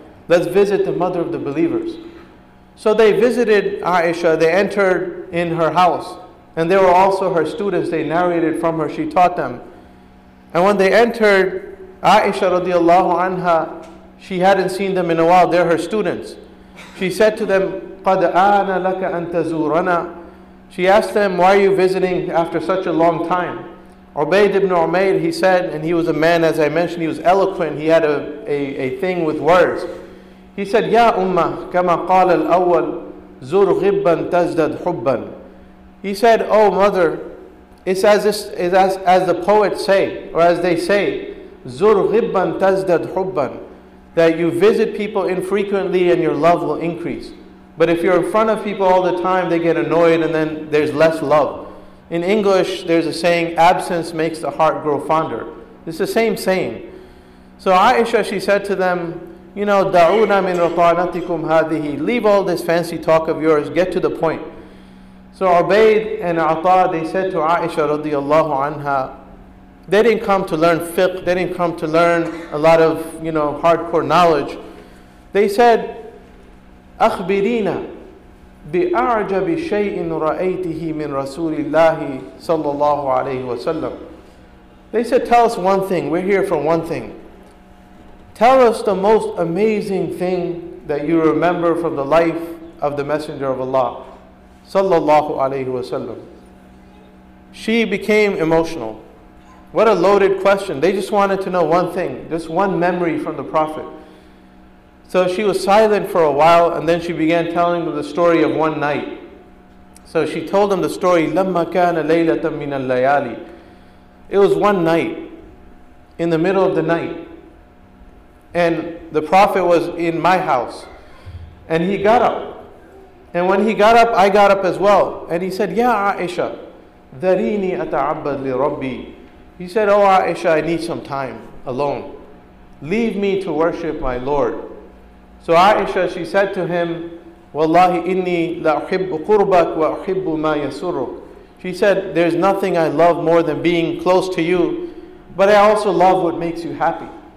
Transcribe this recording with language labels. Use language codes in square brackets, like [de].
[en] Let's visit the mother of the believers. So they visited Aisha. They entered in her house. And there were also her students. They narrated from her. She taught them. And when they entered, Aisha radiallahu anha, she hadn't seen them in a while. They're her students. She said to them, [ar] قَدْ آنَ لَكَ أَن تَزُورَنَا. [en] She asked them, why are you visiting after such a long time? Ubayd ibn Umayr, he said, and he was a man, as I mentioned, he was eloquent, he had a thing with words. He said, [ar] يَا أُمَّةَ كَمَا قَالَ الْأَوَّلِ زُرْ غِبًّا تَزْدَدْ حُبًّا. [en] He said, oh mother, it's as the poets say, or as they say, [ar] زُرْ غِبًّا تَزْدَدْ حُبًّا, [en] that you visit people infrequently and your love will increase. But if you're in front of people all the time, they get annoyed and then there's less love. In English, there's a saying, absence makes the heart grow fonder. It's the same saying. So Aisha, she said to them, you know, [ar] da'una min rata'natikum hadihi. [en] Leave all this fancy talk of yours, get to the point. So Ubayd and Ata, they said to Aisha radiallahu anha, they didn't come to learn fiqh, they didn't come to learn a lot of, you know, hardcore knowledge. They said, [ar] akhbirina بِأَعْجَبِ شَيْءٍ رَأَيْتِهِ مِنْ رَسُولِ اللَّهِ صَلَّى اللَّهُ عَلَيْهِ وَسَلَّمُ. [en] They said, tell us one thing. We're here for one thing. Tell us the most amazing thing that you remember from the life of the Messenger of Allah [ar] صَلَّى اللَّهُ عَلَيْهِ وَسَلَّمُ. [en] She became emotional. What a loaded question. They just wanted to know one thing, just one memory from the Prophet. So she was silent for a while, and then she began telling them the story of one night. So she told them the story, [ar] لَمَّا كَانَ لَيْلَةً مِنَ اللَّيَالِ. [en] It was one night, in the middle of the night. And the Prophet was in my house. And he got up. And when he got up, I got up as well. And he said, [ar] يَا عَائِشَ ذَرِينِي أَتَعَبَّدْ لِرَبِّي. [en] He said, oh Aisha, I need some time alone. Leave me to worship my Lord. So Aisha, she said to him, [ar] Wallahi inni la'uhibbu qurbak wa'uhibbu ma yasurruk. [en] She said, there's nothing I love more than being close to you, but I also love what makes you happy.